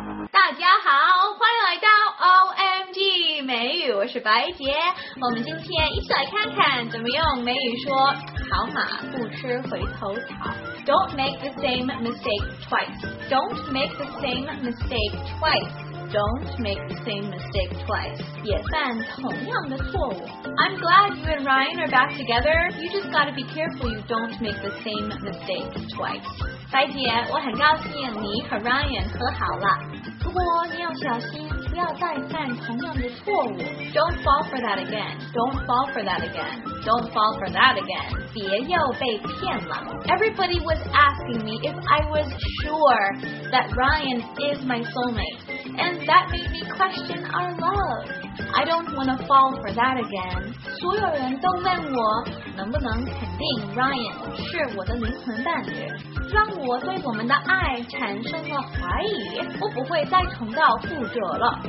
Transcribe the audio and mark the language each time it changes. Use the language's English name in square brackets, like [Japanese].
[Chinese] 大家好，欢迎来到 OMG 美语，我是白洁。我们今天一起来看看怎么用美语说好马不吃回头草。 [English] Don't make the same mistake twice. Don't make the same mistake twice. Don't make the same mistake twice. [Chinese] 也犯同样的错误。 [English] I'm glad you and Ryan are back together. You just gotta be careful you don't make the same mistake twice. [Chinese] 白姐，我很高兴你和 Ryan 和好了。不过你要小心，不要再犯同样的错误。 [English] Don't fall for that again. Don't fall for that again. Don't fall for that again. [Chinese] 别又被骗了。 [English] Everybody was asking me if I was sure that Ryan is my soulmate. And that made me question our love. I don't want to fall for that again. [Chinese] 所有人都问我能不能肯定 Ryan 是我的灵魂伴侣。让我对我们的爱产生了怀疑，我不会再重蹈覆辙了。